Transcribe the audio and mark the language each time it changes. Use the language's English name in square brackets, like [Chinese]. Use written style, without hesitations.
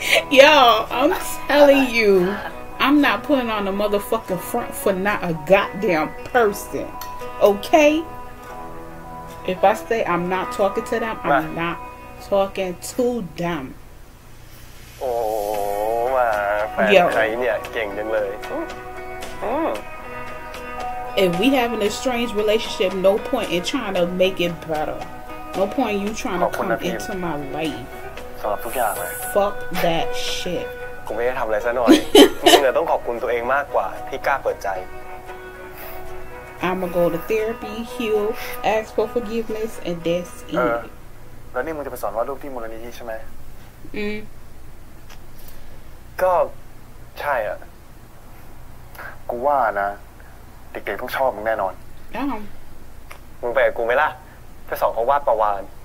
[English] Y'all, I'm telling you, I'm not putting on a motherfucking front for not a goddamn person, okay? If I say I'm not talking to them, I'm not talking to them. Oh, man, [Thai] แฟนใครเนี่ยเก่งจังเลย [English] If we have an estranged relationship, no point in trying to make it better. No point you trying to come into my life. Fuck that shit. [Thai] กูไม่ได้ทำอะไรซะหน่อยมึงเนี่ยต้องขอบคุณตัวเองมากกว่าที่กล้าเปิดใจ [English] I'ma go to therapy, heal, ask for forgiveness, and that's it. [Thai] แล้วนี่มึงจะไปสอนว่าลูกที่มูลนิธิใช่ไหมก็ใช่อ่ะกูว่านะเด็กๆต้องชอบมึงแน่นอนมึงไปกูไหมล่ะไปสอนเขาวาดประวาน